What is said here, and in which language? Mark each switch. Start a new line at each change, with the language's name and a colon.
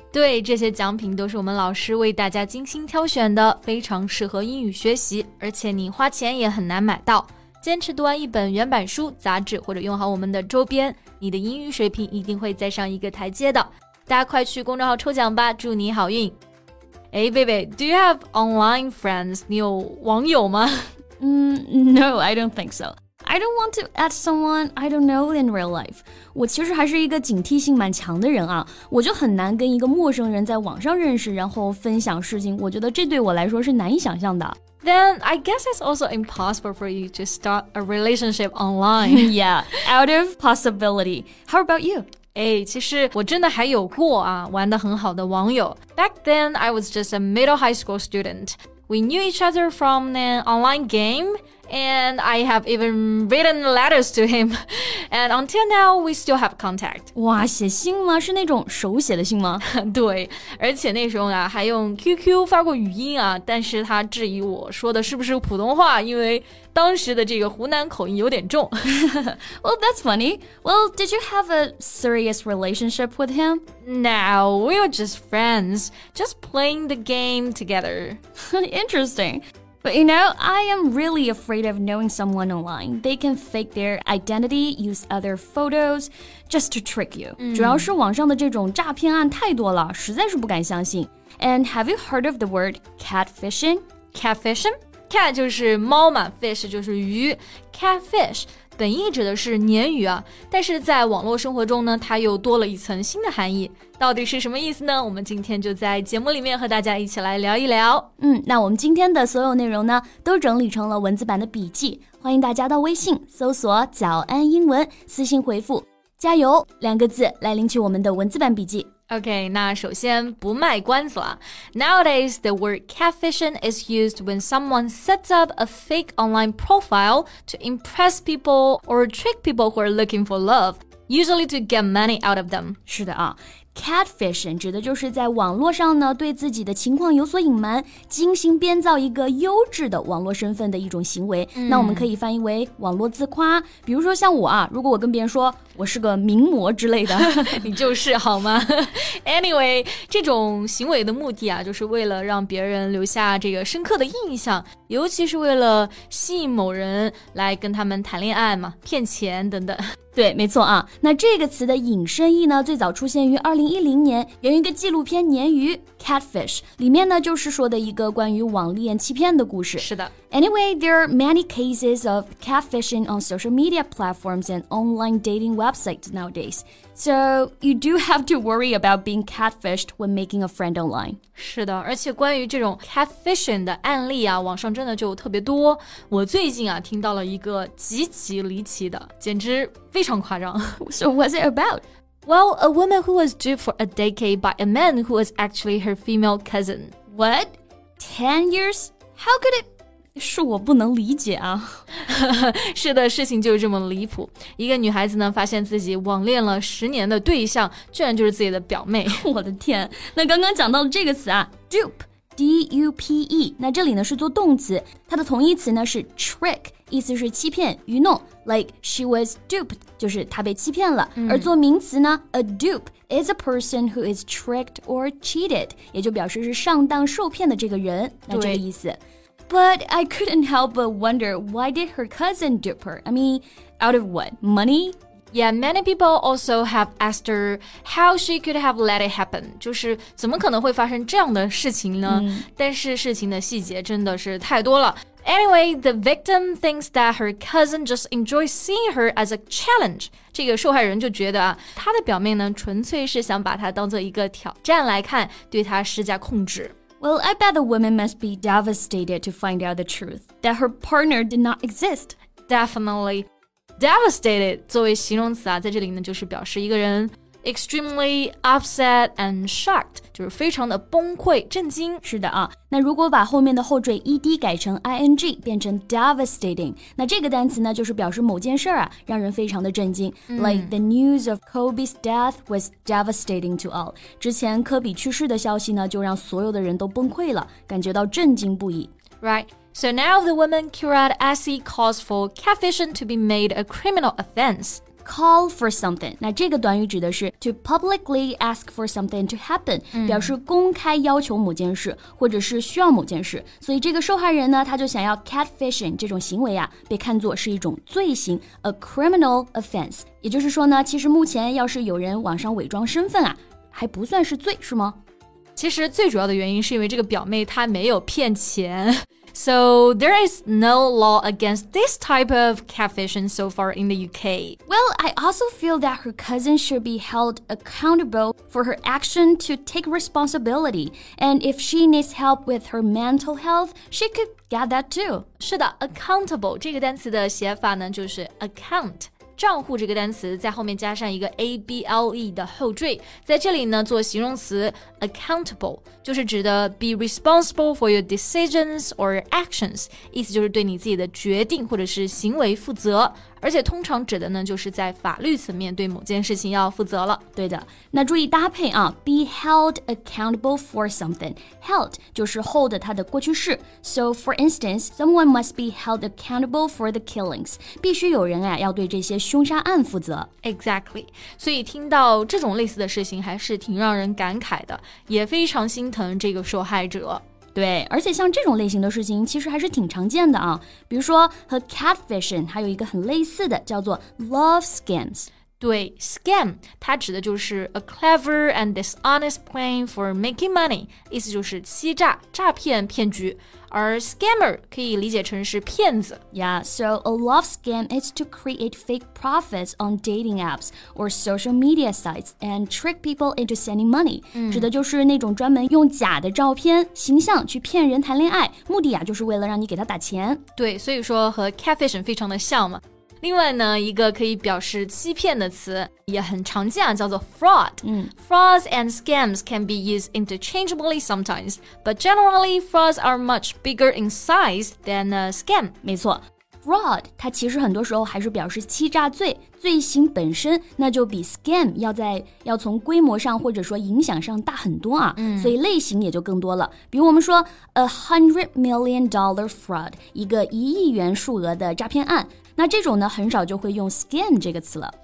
Chinese: 对，这些奖品都是我们老师为大家精心挑选的，非常适合英语学习，而且你花钱也很难买到。坚持读完一本原版书、杂志或者用好我们的周边，你的英语水平一定会再上一个台阶的。大家快去公众号抽奖吧，祝你好运。
English: Hey, baby, do you have online friends?
Chinese: 你有网友吗？
English: No, I don't think so. I don't want to add someone I don't know in real life.
Chinese: 我其实还是一个警惕性蛮强的人啊，我就很难跟一个陌生人在网上认识，然后分享事情，我觉得这对我来说是难以想象的。
English: Then I guess it's also impossible for you to start a relationship online. Yeah, out of possibility. How about you?
Chinese: 哎，其实我真的还有过啊，玩得很好的网友。
English: Back then, I was just a middle high school student. We knew each other from an online game, and I have even written letters to him. And until now, we still have contact.
Chinese: 哇，写信吗？是那种手写的信吗？对，而且那时候啊，还用 QQ 发过语音啊，但是他质疑我说的是不是普通话，因为当时的这个湖南口音有点重。
English: Well, that's funny. Well, did you have a serious relationship with him? No, we were just friends, just playing the game together. Interesting. But you know, I am really afraid of knowing someone online. They can fake their identity, use other photos, just to trick you.
Chinese: 主要是网上的这种诈骗案太多了，实在是不敢相信。
English: And have you heard of the word catfishing? Catfishing?
Chinese: Cat 就是猫嘛 ，fish 就是鱼 ，catfish 本意指的是鲶鱼啊，但是在网络生活中呢，它又多了一层新的含义。到底是什么意思呢？我们今天就在节目里面和大家一起来聊一聊。那我们今天的所有内容呢，都整理成了文字版的笔记，欢迎大家到微信搜索“早安英文”，私信回复“加油”两个字来领取我们的文字版笔记。 Okay, 那首先不卖关子了。
English: Nowadays, the word catfishing is used when someone sets up a fake online profile to impress people or trick people who are looking for love, usually to get money out of them.
Chinese: 是的啊 ,catfishing 指的就是在网络上呢对自己的情况有所隐瞒，精心编造一个优质的网络身份的一种行为。那我们可以翻译为网络自夸，比如说像我啊，如果我跟别人说我是个名模之类的。你就是好吗？ Anyway, 这种行为的目的啊，就是为了让别人留下这个深刻的印象，尤其是为了吸引某人来跟他们谈恋爱嘛，骗钱等等。对，没错啊。那这个词的引申义呢，最早出现于2010年，源于一个纪录片《鲶鱼》（Catfish）， 里面呢就是说的一个关于网恋欺骗的故事。是的。
English: Anyway, there are many cases of catfishing on social media platforms and online dating websites nowadays. So you do have to worry about being catfished when making a friend online.
Chinese: 是的，而且关于这种 catfishing 的案例啊，网上真的就特别多。我最近啊，听到了一个极其离奇的，简直非常夸张。
English: So what's it about? Well, a woman who was duped for a decade by a man who was actually her female cousin. What? 10 years? How could it?
Chinese: 是我不能理解啊。是的，事情就是这么离谱。一个女孩子呢，发现自己网恋了10年的对象，居然就是自己的表妹。我的天，那刚刚讲到了这个词啊 ,dupe。D-U-P-E, 那这里呢是做动词，它的同义词呢是 trick, 意思是欺骗、愚弄
English: like she was duped,
Chinese: 就是她被欺骗了。而做名词呢
English: a dupe is a person who is tricked or cheated,
Chinese: 也就表示是上当受骗的这个人，那这个意思。
English: But I couldn't help but wonder, why did her cousin dupe her? I mean, out of what? Money? Yeah, many people also have asked her how she could have let it happen.
Chinese: 就是怎么可能会发生这样的事情呢？但是事情的细节真的是太多了。
English: Anyway, the victim thinks that her cousin just enjoys seeing her as a challenge.
Chinese: 这个受害人就觉得啊，她的表妹呢，纯粹是想把她当做一个挑战来看，对她施加控制。
English: Well, I bet the woman must be devastated to find out the truth that her partner did not exist.
Chinese: Definitely.Devastated 作为形容词啊，在这里呢就是表示一个人
English: extremely upset and shocked,
Chinese: 就是非常的崩溃震惊。是的啊，那如果把后面的后缀 ed 改成 ing 变成 devastating, 那这个单词呢就是表示某件事啊让人非常的震惊。 Mm.
English: Like the news of Kobe's death was devastating to all.
Chinese: 之前科比去世的消息呢就让所有的人都崩溃了，感觉到震惊不已。
English: Right. So now the woman Kirat Asi calls for catfishing to be made a criminal offense. Call for something.
Chinese: 那这个短语指的是
English: to publicly ask for something to happen,、嗯、
Chinese: 表示公开要求某件事或者是需要某件事。所以这个受害人呢他就想要 catfishing 这种行为啊被看作是一种罪行
English: a criminal offense.
Chinese: 也就是说呢其实目前要是有人网上伪装身份啊还不算是罪是吗其实最主要的原因是因为这个表妹她没有骗钱。
English: So there is no law against this type of catfishing so far in the UK. Well, I also feel that her cousin should be held accountable for her action to take responsibility. And if she needs help with her mental health, she could get that too.
Chinese: 是的 ,accountable, 这个单词的写法呢就是 account. 账户这个单词在后面加上一个 able 的后缀在这里呢做形容词 accountable 就是指的
English: be responsible for your decisions or your actions
Chinese: 意思就是对你自己的决定或者是行为负责而且通常指的呢就是在法律层面对某件事情要负责了对的那注意搭配啊
English: be held accountable for something
Chinese: held 就是 hold 它的过去式
English: so for instance someone must be held accountable for the killings
Chinese: 必须有人啊要对这些凶杀案负责 exactly 所以听到这种类似的事情还是挺让人感慨的也非常心疼这个受害者对而且像这种类型的事情其实还是挺常见的啊比如说和 catfishing 还有一个很类似的叫做 love scams 对 scam 它指的就是
English: a clever and dishonest plan for making money
Chinese: 意思就是欺诈诈骗骗局而 scammer 可以理解成是骗子
English: Yeah, so a love scam is to create fake profits on dating apps or social media sites and trick people into sending money、嗯、
Chinese: 指的就是那种专门用假的照片形象去骗人谈恋爱目的啊就是为了让你给他打钱对所以说和 catfishing 非常的像嘛另外呢一个可以表示欺骗的词也很常见叫做 fraud、嗯、
English: frauds and scams can be used interchangeably sometimes but generally frauds are much bigger in size than a scam
Chinese: 没错 fraud 它其实很多时候还是表示欺诈罪罪行本身那就比 scam 要从规模上或者说影响上大很多啊、嗯、所以类型也就更多了比如我们说
English: $100 million fraud
Chinese: 一个一亿元数额的诈骗案那这种呢很少就会用 scam 这个词了